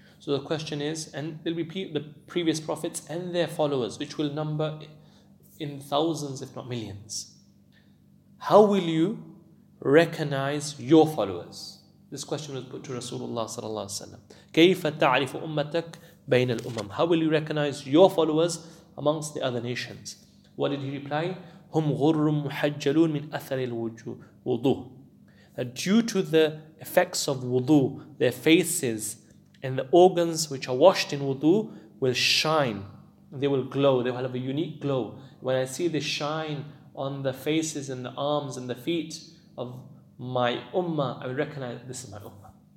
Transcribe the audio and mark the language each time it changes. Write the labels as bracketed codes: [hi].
[en] So the question is, and there'll be the previous prophets and their followers, which will number in thousands, if not millions. How will you recognize your followers? This question was put to Rasulullah sallallahu alaihi wasallam. [ar] كيف تعرف أمتك بين الأمم? [en] How will you recognize your followers amongst the other nations? What did he reply? [ar] هم غر محجلون من أثر الوضوء. [en] That due to the effects of wudu, their faces and the organs which are washed in wudu will shine. They will glow. They will have a unique glow. When I see the shine on the faces and the arms and the feet of my ummah, I would recognize that this is my ummah.